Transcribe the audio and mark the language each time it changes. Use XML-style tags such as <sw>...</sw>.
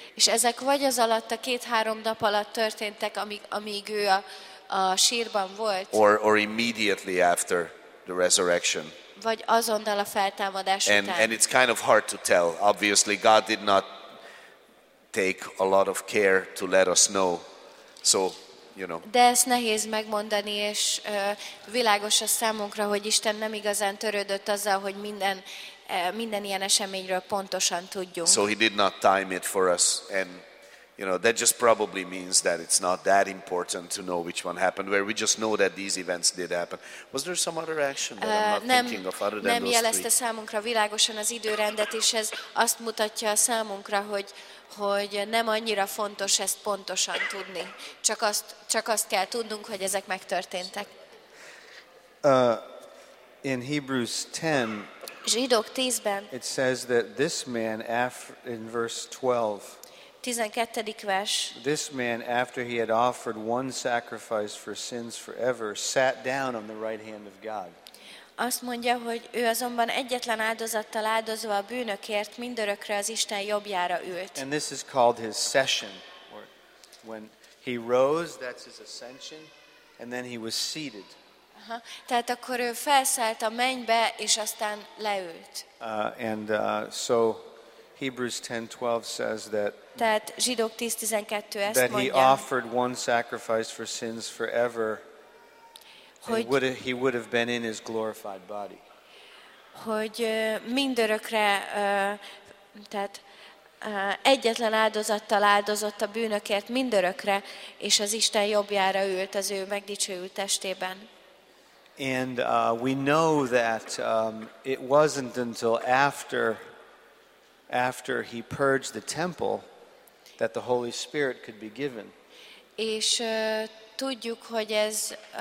<hu>És ezek vagy az alatt a 2-3 nap alatt történtek, amíg ő a sírban volt.</hu> <en>Or immediately after the resurrection.</en> <hu>Vagy azonnal a feltámadás után.</hu> <en>And it's kind of hard to tell. Obviously God did not take a lot of care to let us know. So, you know.</en> <hu>De ezt nehéz megmondani, és világos a számunkra, hogy Isten nem igazán törődött azzal, hogy minden ilyen eseményről pontosan tudjunk.</hu> <en>So he did not time it for us, and you know, that just probably means that it's not that important to know which one happened, where we just know that these events did happen. Was there some other action that I'm not thinking of other than those three?</en> <hu>Nem jelezte számunkra világosan az időrendet, és ez azt mutatja számunkra, hogy nem annyira fontos ezt pontosan tudni. Csak azt kell tudnunk, hogy ezek megtörténtek.</hu> <en>In Hebrews 10,</en> <hu>Zsidók 10-ben,</hu> <en>it says that this man, in verse 12,</en> <hu>12. vers.</hu> <en>This man, after he had offered one sacrifice for sins forever, sat down on the right hand of God.</en> <hu>Azt mondja, hogy ő azonban egyetlen áldozattal áldozva a bűnökért mindörökre az Isten jobbjára ült.</hu> <en>And this is called his session, or when he rose, that's his ascension, and then he was seated.</en> <hu>Tehát akkor ő felszállt a mennybe, és aztán leült.</hu> <en>So Hebrews 10:12 says that.</en> <hu>Tehát Zsidók 10:12 ezt mondja.</hu> <en>That he offered one sacrifice for sins forever. He would have been in his glorified body.</en> <hu>Hogy mindörökre, tehát egyetlen áldozattal áldozott a bűnökért mindörökre, és az Isten jobbjára ült az ő megdicsőült testében.</hu> <en>And we know that it wasn't until after he purged the temple that the Holy Spirit could be given.</en> <hu>És tudjuk, hogy ez</hu>